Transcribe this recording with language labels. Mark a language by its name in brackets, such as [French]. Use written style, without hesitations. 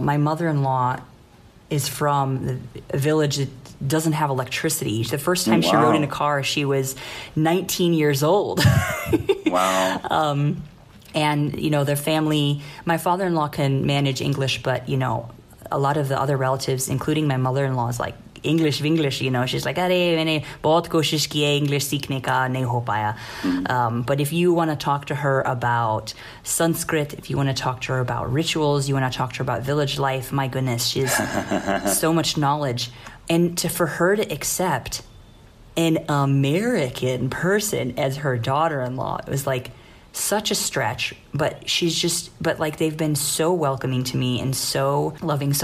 [English] My mother-in-law is from a village that doesn't have electricity. The first time she rode in a car, she was 19 years old. Wow. And, you know, their family, my father-in-law can manage English, but, you know, a lot of the other relatives, including my mother-in-law, is like, English, you know. [Hindi] She's like, "अरे, मैंने बहुत कोशिश की है English सीखने का, नहीं हो पाया." [English] But if you want to talk to her about Sanskrit, if you want to talk to her about rituals, you want to talk to her about village life, my goodness, she has so much knowledge. And for her to accept an American person as her daughter-in-law, it was like such a stretch, but they've been so welcoming to me and so loving.